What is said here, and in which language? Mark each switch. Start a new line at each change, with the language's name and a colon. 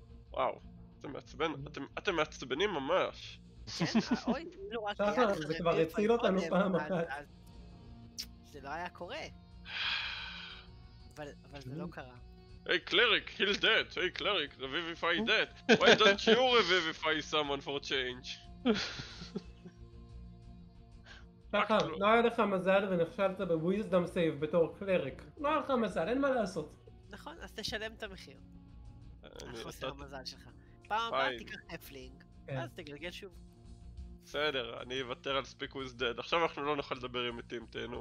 Hebrew: וואו, אתם מעצבן, אתם מעצבנים ממש. כן, אוי, לא רק היה לך רביפיי. זה כבר הציל אותנו פעם אחת. זה לא היה קורה. אבל זה לא קרה. היי קלריק,
English: heal that!
Hebrew: היי קלריק,
English: revivify that! Why don't you revivify someone for change?
Hebrew: ככה, לא היה לך מזל ונכשלת בוויזדום סייב בתור קלריק. לא היה לך מזל, אין מה לעשות. נכון, אז תשלם את המחיר. החוסר המזל שלך. פעם הבאה תיקח הפלינג, אז תגלגל שוב. בסדר, אני אוותר על
English: speak with dead.
Hebrew: עכשיו אנחנו לא נוכל לדבר עם מתים, תהנו.